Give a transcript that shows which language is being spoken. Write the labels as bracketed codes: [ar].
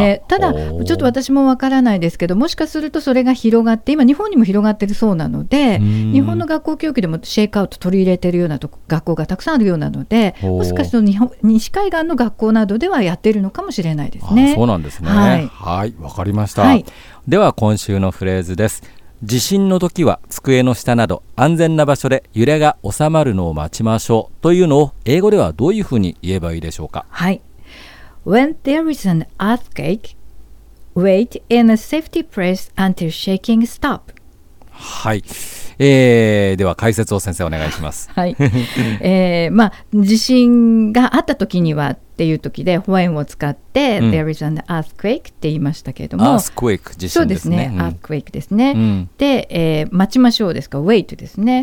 [ja] そうですね、ただちょっと私もわからないですけどもしかするとそれが広がって今日本にも広がってるそうなので、日本の学校教育でもシェイクアウト取り入れてるようなと学校がたくさんあるようなので、もしかすると日本西海岸の学校などではやってるのかもしれないですね。あ、そうなんですね。はい、わかりました。はい、では今週のフレーズです。地震の時は机の下など安全な場所で揺れが収まるのを待ちましょうというのを英語ではどういうふうに言えばいいでしょうか。 [en] はい、 When there is an earthquake, wait in a safety place until shaking stop. [ja] はい、では解説を先生お願いします。はい、まあ、地震があった時にはっていう時で when を使って、うん、 [en] there is an earthquake [ja] って言いましたけれども、 earthquake 地震ですね。そうですね、 earthquake ですね、うん、で、待ちましょうですか wait ですね、